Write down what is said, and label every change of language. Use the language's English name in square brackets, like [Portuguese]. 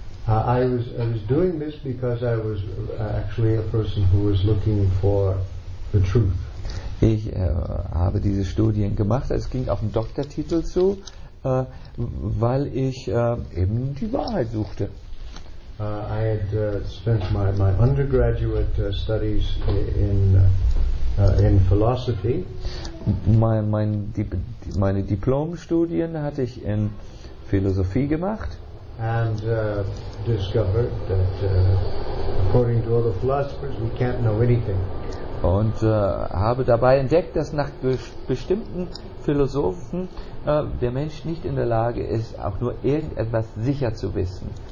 [English] I was doing this because I was actually a person who was looking for the truth. [German] Ich habe diese Studien gemacht, es ging auf einen Doktortitel zu, weil ich eben die Wahrheit suchte. [English] I had spent my undergraduate studies in philosophy. [German] Meine Diplomstudien hatte ich in Philosophie gemacht. [English] and discovered that according to all the philosophers we can't know anything. [German] Und habe dabei entdeckt, dass nach bestimmten Philosophen der Mensch nicht in der Lage ist, auch nur irgendetwas sicher zu wissen.